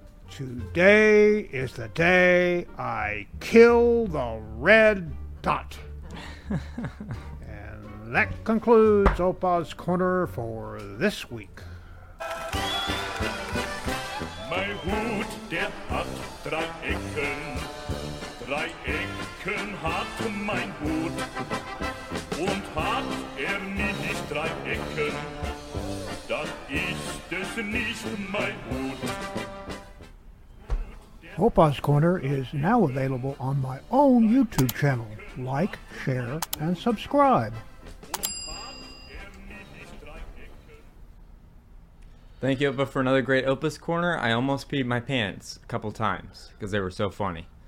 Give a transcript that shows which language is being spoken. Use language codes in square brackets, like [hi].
[en] Today is the day I kill the red dot. That concludes Opa's Corner for this week. [de] My hoot, der hat drei Ecken. Drei Ecken hat mein Hut. Und hat nicht drei Ecken, dann ist es nicht mein Hut. [en] Opa's Corner is now available on my own YouTube channel. Like, share, and subscribe. Thank you, but for another great Opus Corner, I almost peed my pants a couple times because they were so funny.